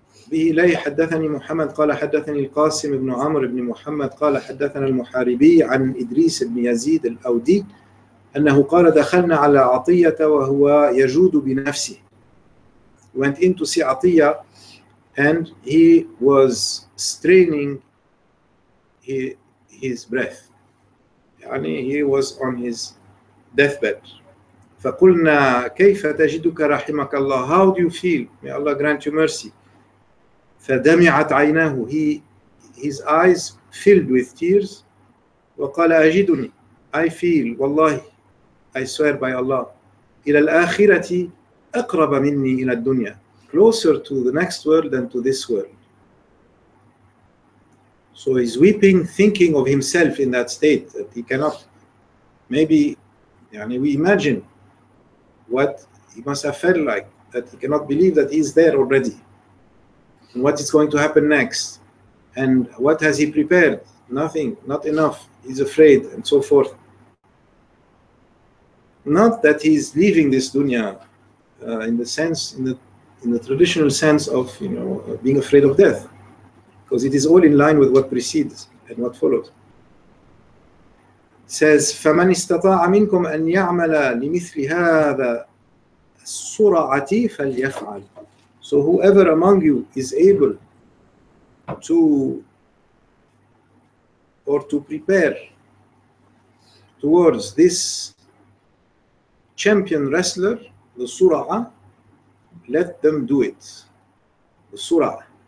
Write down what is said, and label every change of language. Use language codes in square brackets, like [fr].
[ar] به إليه حدثني محمد قال حدثني القاسم بن عمرو بن محمد قال حدثنا المحاربي عن إدريس بن يزيد الأودي أنه قال دخلنا على عطية وهو يجود بنفسه. [en] Went in to see Atiyya and he was straining his breath. يعني he was on his deathbed. [ar] فقلنا كيف تجدك رحمك الله. [en] How do you feel? May Allah grant you mercy. [ar] فدمعت عيناه. [en] His eyes filled with tears. [ar] وقال أجدني. [en] I feel. [ar] والله. [en] I swear by Allah. [ar] إلى الآخرة أقرب مني إلى الدنيا. [en] Closer to the next world than to this world. So he's weeping, thinking of himself in that state. That he cannot. Maybe. يعني we imagine what he must have felt like. That he cannot believe that he's there already. What is going to happen next, and what has he prepared? Nothing, not enough, he's afraid, and so forth. Not that he's leaving this dunya in the traditional sense of, you know, being afraid of death, because it is all in line with what precedes and what follows. It says [ar] فَمَنْ اسْتَطَاعَ مِنْكُمْ أَنْ يَعْمَلَ لِمِثْلِ هَذَا السُّرَعَةِ فَلْيَفْعَلْ. [en] So whoever among you is able to prepare towards this champion wrestler, the Sura'a, let them do it. The Sura'a.